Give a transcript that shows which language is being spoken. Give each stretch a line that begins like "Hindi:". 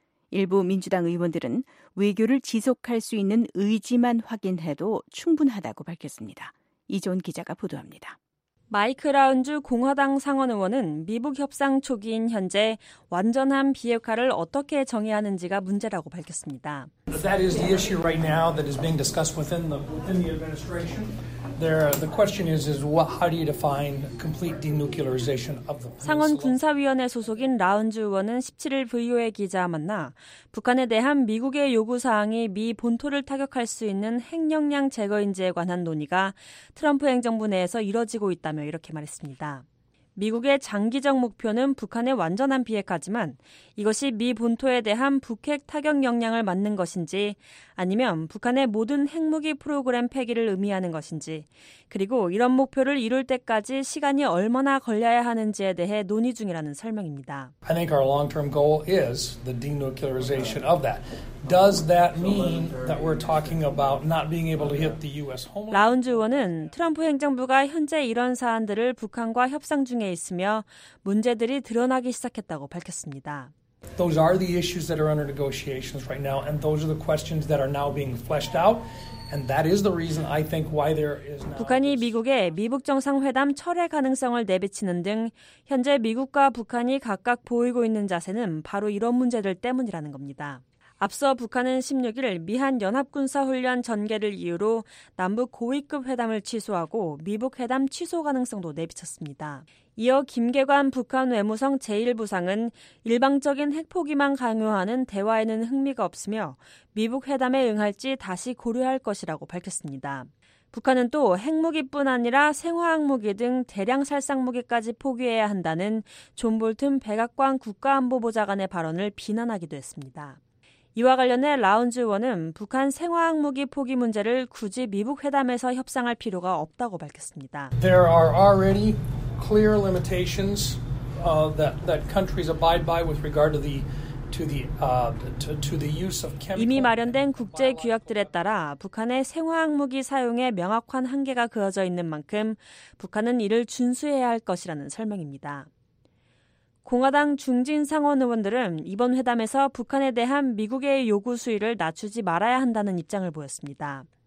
Korean: 일부 민주당 의원들은 외교를 지속할 수 있는 의지만 확인해도 충분하다고 밝혔습니다. 이재훈 기자가 보도합니다. 마이크 라운주 공화당 상원 의원은 미북 협상 초기인 현재 완전한 비핵화를 어떻게 정해야 하는지가 문제라고 밝혔습니다.
English: That is the issue right now that is being discussed within the administration. The question is what, how do you define complete denuclearization of the peninsula?
Korean: 상원 군사위원회 소속인 라운주 의원은 17일 VOA 기자와 만나 북한에 대한 미국의 요구사항이 미 본토를 타격할 수 있는 핵역량 제거인지에 관한 논의가 트럼프 행정부 내에서 이뤄지고 있다며 이렇게 말했습니다. 미국의 장기적 목표는 북한의 완전한 비핵화지만 이것이 미 본토에 대한 북핵 타격 역량을 맞는 것인지 아니면 북한의 모든 핵무기 프로그램 폐기를 의미하는 것인지 그리고 이런 목표를 이룰 때까지 시간이 얼마나 걸려야 하는지에 대해 논의 중이라는 설명입니다.
English: I think our long-term goal is the denuclearization of that. Does that mean that we're talking about not being able to hit the U.S. home?
Korean: 라운즈 의원은 트럼프 행정부가 현재 이런 사안들을 북한과 협상 중에 있으며 문제들이 드러나기 시작했다고 밝혔습니다.
English: Those are the issues that are under negotiations right now, and those are the questions that are now being fleshed out. And that is the reason I think why there is now.
Korean: 북한이 미국에 미북 정상회담 철회 가능성을 내비치는 등 현재 미국과 북한이 각각 보이고 있는 자세는 바로 이런 문제들 때문이라는 겁니다. 앞서 북한은 16일 미한 연합군사훈련 전개를 이유로 남북 고위급 회담을 취소하고 미북 회담 취소 가능성도 내비쳤습니다. 이어 김계관 북한 외무성 제1부상은 일방적인 핵포기만 강요하는 대화에는 흥미가 없으며 미북 회담에 응할지 다시 고려할 것이라고 밝혔습니다. 북한은 또 핵무기뿐 아니라 생화학무기 등 대량 살상무기까지 포기해야 한다는 존 볼튼 백악관 국가안보보좌관의 발언을 비난하기도 했습니다. 이와 관련해 라운즈 의원은 북한 생화학무기 포기 문제를 굳이 미북 회담에서 협상할 필요가 없다고 밝혔습니다.
English: There are already clear limitations that countries abide by with regard to the use of chemical.
Korean: 이미 마련된 국제 규약들에 따라 북한의 생화학무기 사용에 명확한 한계가 그어져 있는 만큼 북한은 이를 준수해야 할 것이라는 설명입니다. 공화당 중진 상원 의원들은 이번 회담에서 북한에 대한 미국의 요구 수위를 낮추지 말아야 한다는 입장을 보였습니다.